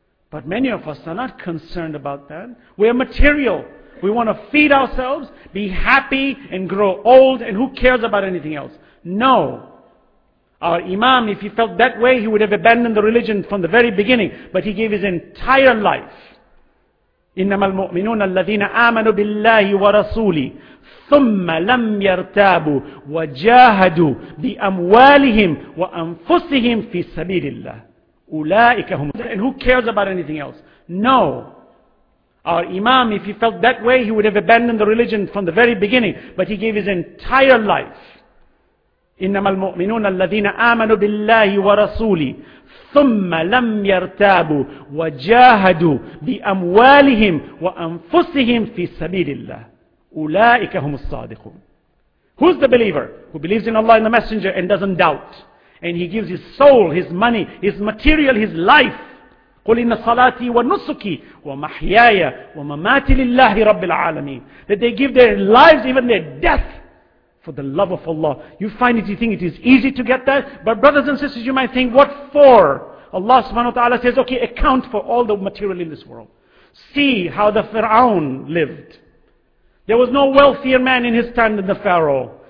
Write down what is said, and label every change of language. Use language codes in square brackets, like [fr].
[en] But many of us are not concerned about that. We are material. We want to feed ourselves, be happy and grow old, and who cares about anything else? No. Our imam, if he felt that way, he would have abandoned the religion from the very beginning. But he gave his entire life. [ar] إنما المؤمنون الذين آمنوا بالله ورسوله ثم لم يرتابوا وجاهدوا بأموالهم وأنفسهم في سبيل الله أولئك هم. [en] And who cares about anything else? No. Our Imam, if he felt that way, he would have abandoned the religion from the very beginning. But he gave his entire life. [ar] إنما المؤمنون الذين آمنوا بالله ورسوله ثم لم يرتابوا وجاهدوا بأموالهم وأنفسهم في سبيل الله أولئك هم الصادقون. [en] Who's the believer who believes in Allah and the Messenger and doesn't doubt? And he gives his soul, his money, his material, his life. [ar] قل إن صلاتي ونسكي ومحياي ومماتي لله رب العالمين. [en] That they give their lives, even their death, for the love of Allah. You find it, you think it is easy to get that? But brothers and sisters, you might think, what for? Allah subhanahu wa ta'ala says, okay, account for all the material in this world. See how the Fir'aun lived. There was no wealthier man in his time than the Pharaoh.